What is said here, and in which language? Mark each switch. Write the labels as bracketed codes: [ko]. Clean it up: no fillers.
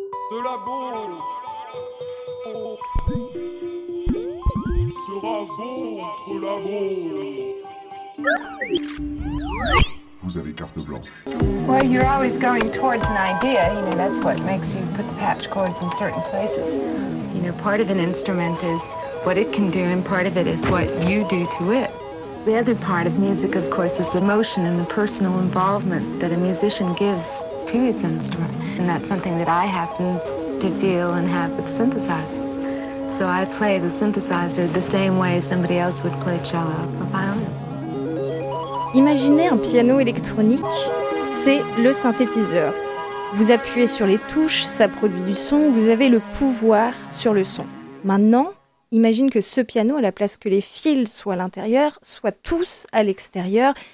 [fr] Cela bon sera votre labo. Vous avez carte blanche. [en] Well, you're always going towards an idea. You know, that's what makes you put the patch cords in certain places. You know, part of an instrument is what it can do, and part of it is what you do to it. The other part of music, of course, is the motion and the personal involvement that a musician gives to his instrument. And that's something that I happen to feel and have with synthesizers. So I play the synthesizer the same way somebody else would play cello or violin. [fr] Imaginez un piano électronique, c'est le synthétiseur. Vous appuyez sur les touches, ça produit du son, vous avez le pouvoir sur le son. Maintenant, imagine que ce piano, à la place que les fils soient à l'intérieur, soient tous à l'extérieur.